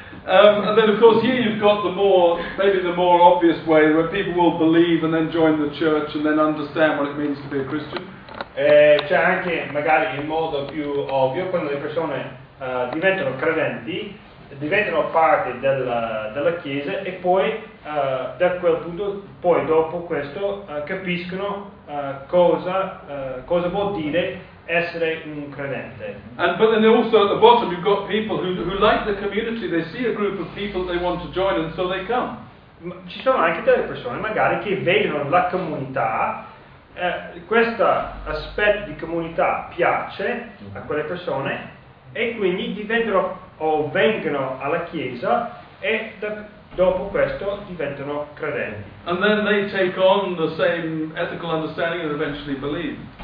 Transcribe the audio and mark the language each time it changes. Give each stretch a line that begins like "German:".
English: And then of course here you've got the more obvious way where people will believe and then join the church and then understand what it means to be a Christian.
Italian: C'è anche magari il modo più ovvio quando le persone diventano credenti, diventano parte della Chiesa e poi da quel punto, poi dopo questo, capiscono cosa vuol dire essere un credente.
English: And but then also at the bottom you've got people who like the community, they see a group of people they want to join and so they come.
Italian: Ci sono anche delle persone magari che vedono la comunità, questo aspetto di comunità piace a quelle persone e quindi diventano o vengono alla Chiesa e dopo questo diventano credenti.
English: And then they take on the same ethical understanding and eventually believe.